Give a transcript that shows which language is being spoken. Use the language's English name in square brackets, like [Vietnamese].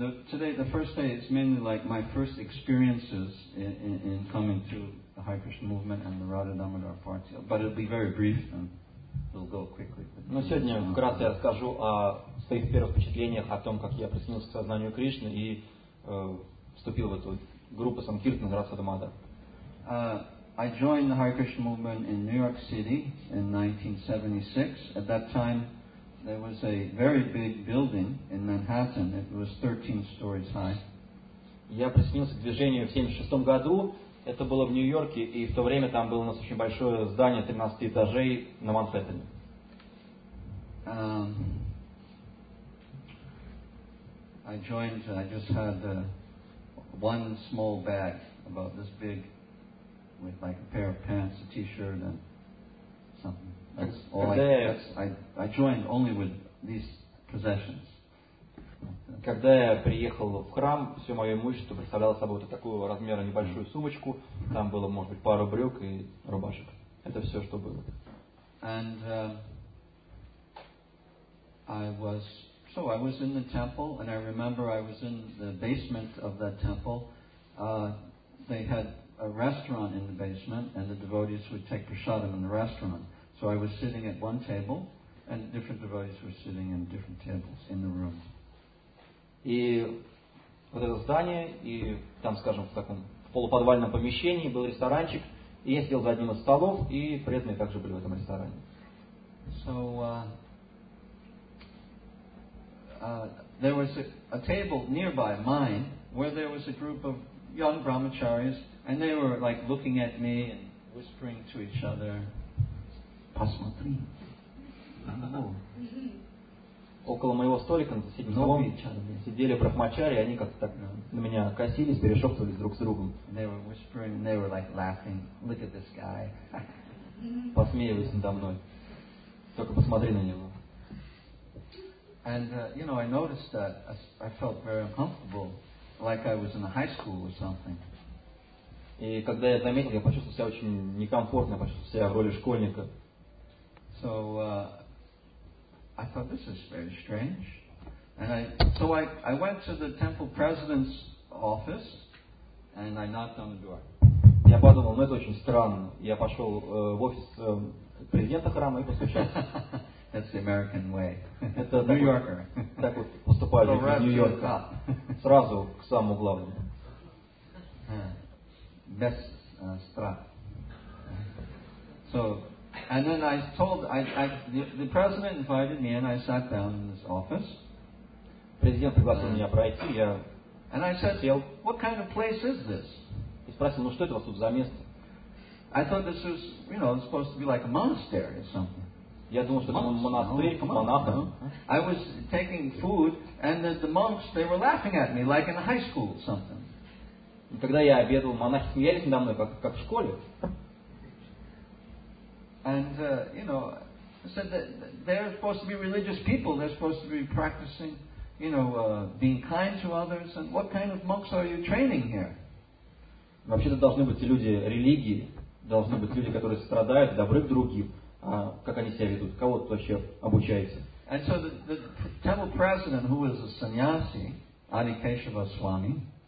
[English] Today, the first day, it's mainly like my first experiences in coming to the Hare Krishna movement and the Radha Damodar party. But it'll be very brief and it'll go quickly. [Russian] Но сегодня вкратце я расскажу о своих первых впечатлениях о том, как я присоединился к сознанию Кришны и вступил в эту группу Санкиртан Радха Дамодар. [English] I joined the Hare Krishna movement in New York City in 1976. At that time, there was a very big building in Manhattan. It was 13 stories high. [Russian] Я присоединился к движению в 1976 году. Это было в Нью-Йорке, и в то время там было у нас очень большое здание 13 этажей на Манхэттене. [English] I just had one small bag about this big. with like a pair of pants, a t-shirt, and something. That's all I joined only with these possessions. [Russian] Когда я приехал в храм, все мое имущество представляло собой вот такую размера небольшую сумочку. Там было, может быть, пару брюк и рубашек. Это все, что было. [English] And I was in the temple, and I remember I was in the basement of that temple. They had a restaurant in the basement, and the devotees would take prasadam in the restaurant. So I was sitting at one table, and different devotees were sitting in different tables in the room. [Russian] И вот это здание, и там, скажем, в таком полуподвальном помещении был ресторанчик, и я сидел за одним из столов, и преданные также были в этом ресторане. [English] So, there was a table nearby mine, where there was a group of young brahmacharis, and they were like looking at me and whispering to each other. [Russian] Посмотри. Около моего столика на соседнем столом сидели брахмачари, и они как-то так на меня косились, перешептывались друг с другом. [English] They were whispering, they were like laughing. Look at this guy. [Russian] Посмеивались надо мной. Только посмотри на него. [English] And you know, I noticed that I felt very uncomfortable, like I was in a high school or something. [Russian] И когда я заметил, я почувствовал себя очень некомфортно, почувствовал себя в роли школьника. [English] So I thought this is very strange, and I went to the temple president's office, and I knocked on the door. [Russian] Я подумал, ну это очень странно. Я пошел в офис президента храма и постучался. [English] That's the American way. [Russian] Это New Yorker. Так вот поступают в Нью-Йорк. Сразу к самому главному. Без страх. [English] So. And then I told the president invited me and I sat down in his office. [Russian] Президент пригласил меня пройти. Я [English] and I said, [Russian] сел. [English] What kind of place is this? [Russian] И спросил, ну что это у вас тут за место? [English] I thought this was, you know, supposed to be like a monastery or something. [Russian] Я думал, что это монастырь, монахом. [English] I was taking food and the monks they were laughing at me like in a high school or something. [Russian] И когда я обедал, монахи смеялись надо мной как в школе. [English] And you know, said that they're supposed to be religious people. They're supposed to be practicing, you know, being kind to others. And what kind of monks are you training here? [Russian] Вообще-то должны быть люди религии, должны быть люди, которые страдают, добры к другим. Как они себя ведут? Кого тут вообще обучаете? [English] And so the temple president, who is a sannyasi, Adikeshava Swami,